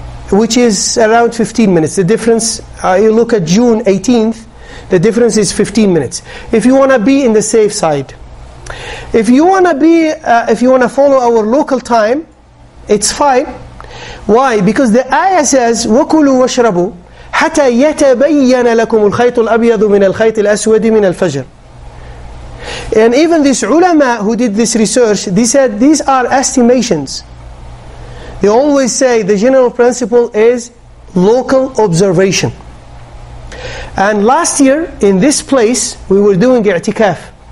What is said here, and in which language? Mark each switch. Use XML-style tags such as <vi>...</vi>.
<en>Which is around 15 minutes. The difference, you look at June 18th, the difference is 15 minutes. If you want to be in the safe side. If you want to be, if you want to follow our local time, it's fine. Why? Because the ayah says,</en> <ar>وَكُلُوا وَشْرَبُوا حَتَى يَتَبَيَّنَ لَكُمُ الْخَيْطُ الْأَبْيَضُ مِنَ الْخَيْطِ الْأَسْوَدِ مِنَ الْفَجْرِ.</ar> <en>And even this ulama who did this research, they said these are estimations. They always say the general principle is local observation. And last year in this place, we were doing i'tikaf.</en>